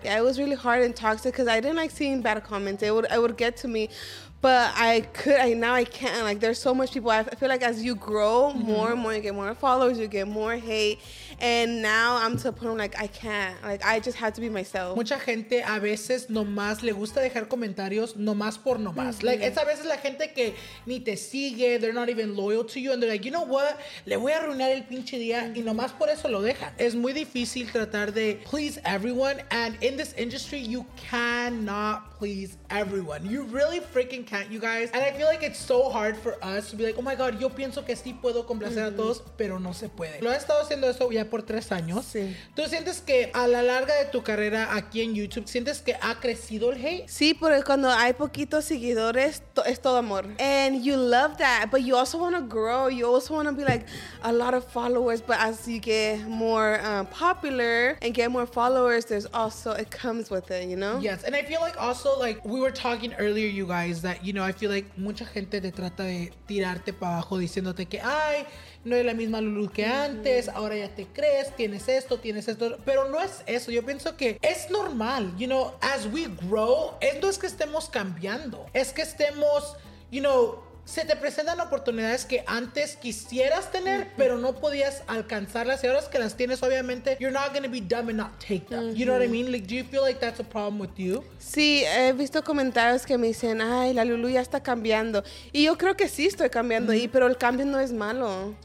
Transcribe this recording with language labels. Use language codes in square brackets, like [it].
[en] Yeah, it was really hard and toxic because I didn't like seeing bad comments. It would get to me. But I can't. Like, there's so much people. I feel like as you grow more and more, you get more followers, you get more hate. And now I'm to a point where, like, I can't. Like, I just have to be myself. [es] Mucha gente a veces nomás le gusta dejar comentarios nomás por nomás. Mm-hmm. [en] Like, [es] es a veces la gente que ni te sigue, [en] they're not even loyal to you, and they're like, you know what? [es] Le voy a arruinar el pinche día, y nomás por eso lo deja. Es muy difícil tratar de [en] please everyone, and in this industry, you cannot please everyone. You really freaking can't, you guys. And I feel like it's so hard for us to be like, oh my God, [es] yo pienso que sí puedo complacer a todos, pero no se puede. Lo has estado haciendo eso ya por 3 años. Sí. ¿Tú sientes que a la larga de tu carrera aquí en YouTube, sientes que ha crecido el hate? Sí, porque cuando hay poquitos seguidores, es todo amor. [en] And you love that, but you also want to grow. You also want to be like a lot of followers, but as you get more popular and get more followers, there's also, it comes with it, you know? Yes, and I feel like [es] also, like, we were talking earlier, you guys, that, you know, I feel like mucha gente te trata de tirarte para abajo diciéndote que, ay, no es la misma Lulu que antes, ahora ya te crees, tienes esto, pero no es eso. Yo pienso que es normal, you know, as we grow, no es que estemos cambiando, es que estemos, you know, se te presentan oportunidades que antes quisieras tener, pero no podías alcanzarlas. Y ahora es que las tienes, obviamente, [en] you're not going to be dumb and not take them. You know what I mean? Like, do you feel like that's a problem with you? [es] Sí, he visto comentarios que me dicen, ay, la Lulu ya está cambiando. Y yo creo que sí estoy cambiando, pero el cambio no es malo.